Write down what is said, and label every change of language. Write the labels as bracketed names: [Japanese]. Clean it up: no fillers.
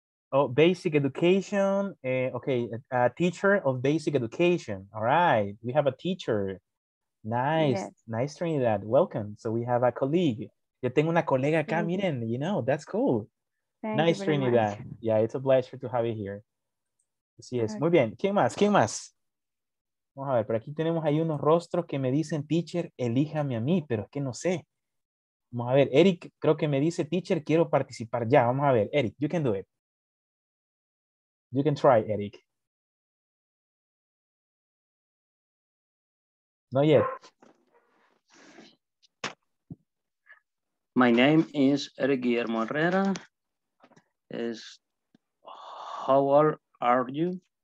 [English] Oh, basic education. Okay, a teacher of basic education. All right, we have a teacher. Nice, yes. Nice, Trinidad. Welcome. So we have a colleague. [Spanish] Yo tengo una colega acá, miren, [English] you know, that's cool. Thank nice, Trinidad. Much. Yeah, it's a pleasure to have you here. Yes, okay. [Spanish] Muy bien. ¿Quién más? ¿Quién más? Vamos a ver, por aquí tenemos ahí unos rostros que me dicen, teacher, elíjame a mí, pero es que no sé. Vamos a ver, Eric, creo que me dice, teacher, quiero participar ya. Vamos a ver, [English] Eric, you can do it. You can try, Eric. Not yet. My name is Eric Guillermo Herrera. Is how old are you?